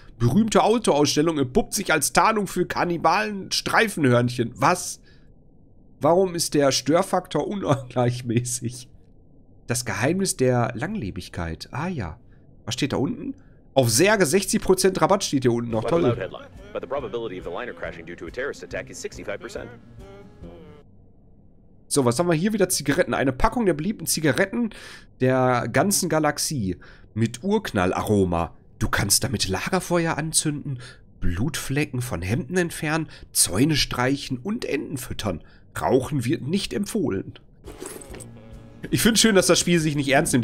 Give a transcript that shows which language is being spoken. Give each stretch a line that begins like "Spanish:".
German: Berühmte Autoausstellung entpuppt sich als Tarnung für Kannibalen-Streifenhörnchen. Was? Warum ist der Störfaktor unangleichmäßig? Das Geheimnis der Langlebigkeit. Ah ja. Was steht da unten? Auf Särge 60% Rabatt steht hier unten noch. Toll.
English: But the probability of the liner crashing due to a terrorist attack is 65%.
German: So, was haben wir hier wieder? Zigaretten. Eine Packung der beliebten Zigaretten der ganzen Galaxie mit Urknallaroma. Du kannst damit Lagerfeuer anzünden, Blutflecken von Hemden entfernen, Zäune streichen und Enten füttern. Rauchen wird nicht empfohlen. Ich finde schön, dass das Spiel sich nicht ernst nimmt.